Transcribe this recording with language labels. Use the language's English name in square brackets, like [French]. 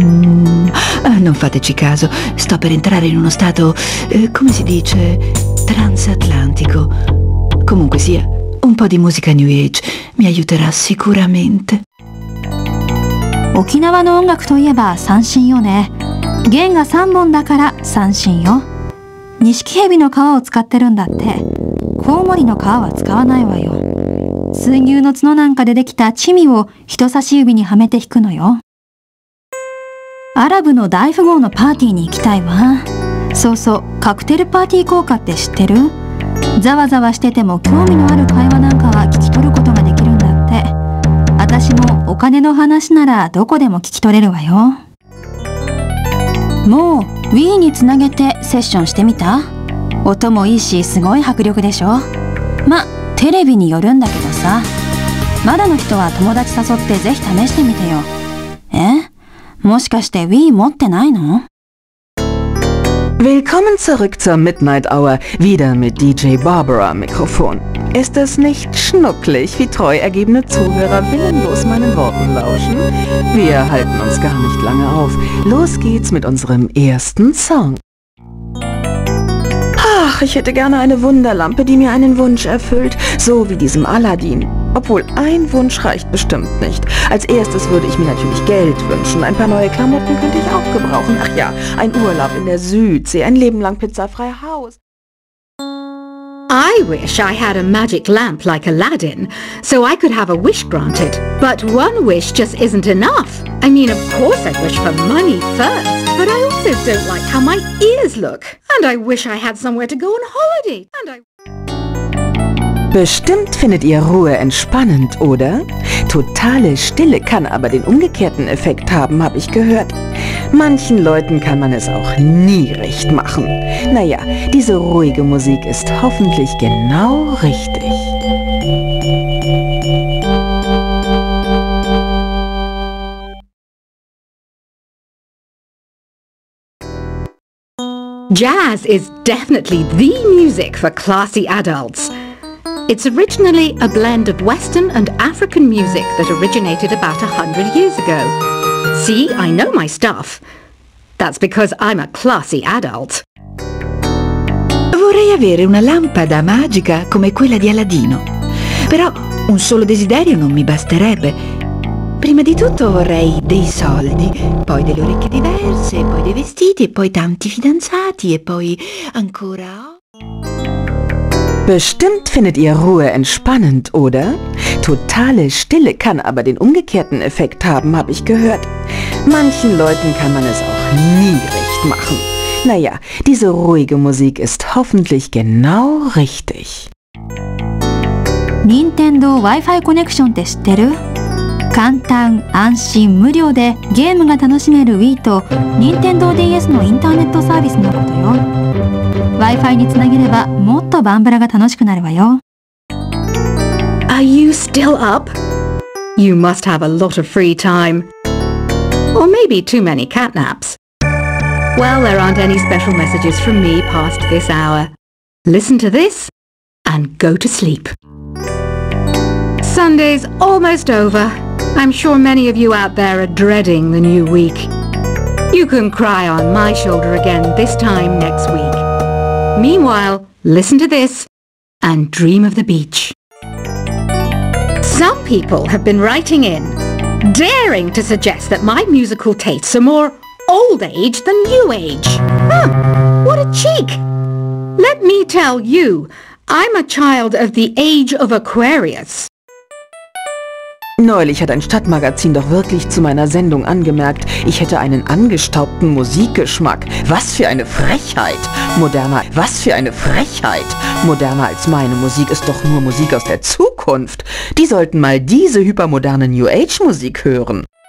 [Italian] Non fateci caso, sto per entrare in uno stato, come si dice, transatlantico. Comunque sia, un po' di musica New Age mi aiuterà sicuramente. [Japanese] 沖縄の音楽といえば三線よね。弦が3本だから三線よ。錦蛇の皮を使ってるんだって。コウモリの皮は使わないわよ。水牛の角なんかでできたチミを人差し指にはめて弾くのよ。アラブの大富豪のパーティーに行きたいわ。そうそう、カクテルパーティー効果って知ってる？ざわざわしてても興味のある会話なんかは聞き取ることができるんだって。私もお金の話ならどこでも聞き取れるわよ。もう Wii につなげてセッションしてみた？音もいいしすごい迫力でしょ。ま、テレビによるんだけどさ。まだの人は友達誘ってぜひ試してみてよ。え？もしかして Wii 持ってないの？ [German] Willkommen zurück zur Midnight Hour, wieder mit DJ Barbara Mikrofon. Ist es nicht schnucklig, wie treu ergebene Zuhörer willenlos meinen Worten lauschen? Wir halten uns gar nicht lange auf. Los geht's mit unserem ersten Song. Ach, ich hätte gerne eine Wunderlampe, die mir einen Wunsch erfüllt, so wie diesem Aladdin. Obwohl, ein Wunsch reicht bestimmt nicht. Als erstes würde ich mir natürlich Geld wünschen. Ein paar neue Klamotten könnte ich auch gebrauchen. Ach ja, ein Urlaub in der Südsee, ein Leben lang pizzafrei Haus. [English] I wish I had a magic lamp like Aladdin, so I could have a wish granted. But one wish just isn't enough. I mean, of course I'd wish for money first. But I also don't like how my ears look. And I wish I had somewhere to go on holiday. And I... [German] Bestimmt findet ihr Ruhe entspannend, oder? Totale Stille kann aber den umgekehrten Effekt haben, habe ich gehört. Manchen Leuten kann man es auch nie recht machen. Naja, diese ruhige Musik ist hoffentlich genau richtig. [English] Jazz is definitely the music for classy adults. It's originally a blend of Western and African music that originated about 100 years ago. See, I know my stuff. That's because I'm a classy adult. [Italian] Vorrei avere una lampada magica come quella di Aladino. Però un solo desiderio non mi basterebbe. Prima di tutto vorrei dei soldi, poi delle orecchie diverse, poi dei vestiti, poi tanti fidanzati e poi ancora... [German] Bestimmt findet ihr Ruhe entspannend, oder? Totale Stille kann aber den umgekehrten Effekt haben, habe ich gehört. Manchen Leuten kann man es auch nie recht machen. Naja, diese ruhige Musik ist hoffentlich genau richtig. [Japanese] Nintendo Wi-Fi Connection って知ってる？簡単、安心、無料でゲームが楽しめる Wii と Nintendo DS のインターネットサービスのことよ。 Wi-Fi につなげればもっとバンブラが楽しくなるわよ。 [English] Are you still up? You must have a lot of free time. Or maybe too many catnaps. Well, there aren't any special messages from me past this hour. Listen to this and go to sleep. Sunday's almost over. I'm sure many of you out there are dreading the new week. You can cry on my shoulder again this time next week. Meanwhile, listen to this and dream of the beach. Some people have been writing in, daring to suggest that my musical tastes are more old age than new age. Huh, what a cheek! Let me tell you, I'm a child of the age of Aquarius. [German] Neulich hat ein Stadtmagazin doch wirklich zu meiner Sendung angemerkt, ich hätte einen angestaubten Musikgeschmack. Was für eine Frechheit! Moderner, was für eine Frechheit! Moderner als meine Musik ist doch nur Musik aus der Zukunft. Die sollten mal diese hypermoderne New Age-Musik hören.